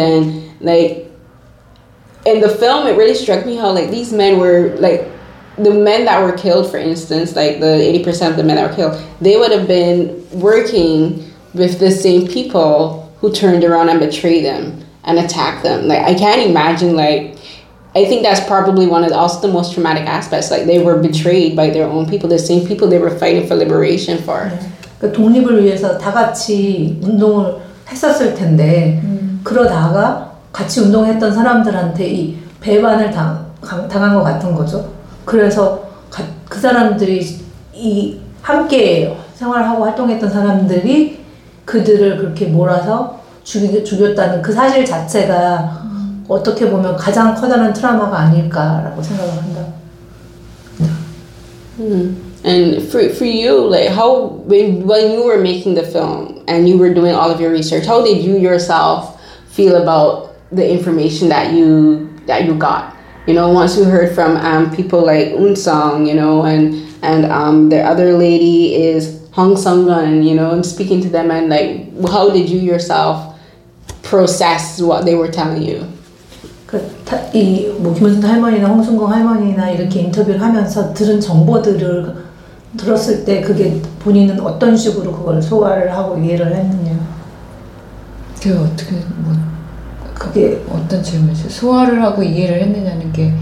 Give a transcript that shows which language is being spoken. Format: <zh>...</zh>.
<en>And like in the film, it really struck me how like these men were like the men that were killed, for instance, like the 80% of the men that were killed, they would have been working with the same people who turned around and betrayed them and attacked them. Like, I can't imagine, like, I think that's probably one of the, also the most traumatic aspects. Like, they were betrayed by their own people, the same people they were fighting for liberation for.</en> <ko>그 독립을 위해서 다 같이 운동을 했었을 텐데 그러다가 같이 운동했던 사람들한테 이 배반을 당한 것 같은 거죠. 그래서 그 사람들이 이 함께 생활하고 활동했던 사람들이 그들을 그렇게 몰아서 죽였다는 그 사실 자체가 어떻게 보면 가장 커다란 트라우마가 아닐까라고 생각을 한다.</ko> <en>And for you, like, how when you were making the film and you were doing all of your research, how did you yourself feel about the information that you got? You know, once you heard from people like Eunsung, you know, and the other lady is Hong Sung-gun, you know, and speaking to them, and like, how did you yourself process what they were telling you?</en> <ko>이뭐 김은순 할머니나 홍순경 할머니나 이렇게 인터뷰를 하면서 들은 정보들을 들었을 때 그게 본인은 어떤 식으로 그걸 소화를 하고 이해를 했느냐? 그게 어떻게 뭐 그게 어떤 질문이세요? 소화를 하고 이해를 했느냐는 게</ko>